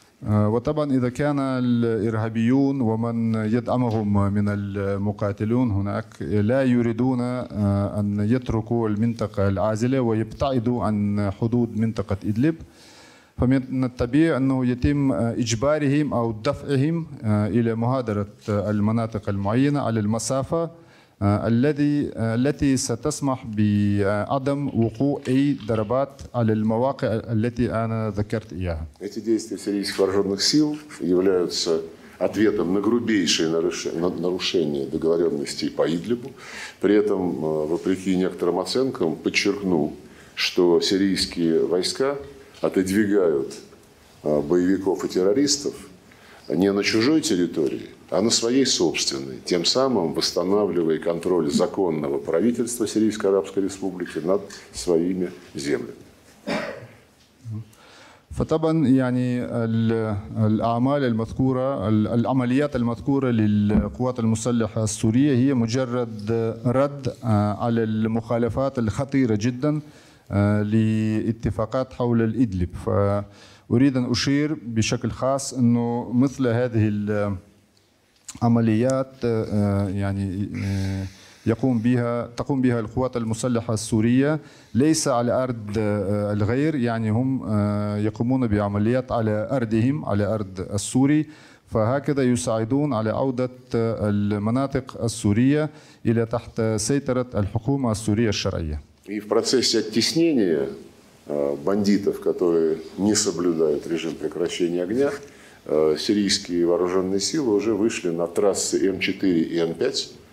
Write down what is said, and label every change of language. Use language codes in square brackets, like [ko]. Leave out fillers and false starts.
[ar] وطبعا إذا كان الإرهابيون ومن يدعمهم من المقاتلون هناك لا يريدون أن يتركوا المنطقة العازلة ويبتعدوا عن حدود منطقة إدلب فمن الطبيعي أنه يتم إجبارهم أو دفعهم إلى مهادرة المناطق المعينة على المسافة التي ستسمح بعدم وقوع أي ضربات على المواقع التي أنا ذكرت إياها. [ru] Эти действия сирийских вооруженных сил являются ответом на грубейшие нарушения договоренностей по Идлибу. При этом, вопреки некоторым оценкам, подчеркну, что сирийские войска отодвигают боевиков и террористов не на чужой территории, а на своей собственной, тем самым восстанавливая контроль законного правительства Сирийской Арабской Республики над своими землями. [ar] فطبعا يعني الأعمال المذكورة العمليات المذكورة للقوات المسلحة السورية هي مجرد رد على المخالفات الخطيرة جدا لاتفاقات حول الإدلب فأريد أن أشير بشكل خاص أنه مثل هذه العمليات يعني تقوم بها القوات المسلحة السورية ليس على أرض الغير يعني هم يقومون بعمليات على أرضهم على أرض السوري فهكذا يساعدون على عودة المناطق السورية إلى تحت سيطرة الحكومة السورية الشرعية. [ru] И в процессе оттеснения бандитов, которые не соблюдают режим прекращения огня, сирийские вооруженные силы уже вышли на трассы М4 и М5,